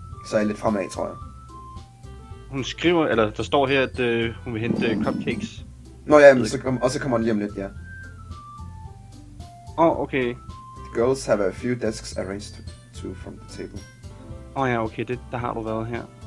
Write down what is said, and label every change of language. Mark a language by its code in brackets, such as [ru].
[da] Så er jeg lidt fremad, tror jeg. Hun skriver, eller der står her, at hun vil hente cupcakes. Nå ja, men så kommer hun lige om lidt, ja. Åh, okay. [en] Girls have a few desks arranged to from the table. [da] Oh ja, okay, det der har du været her.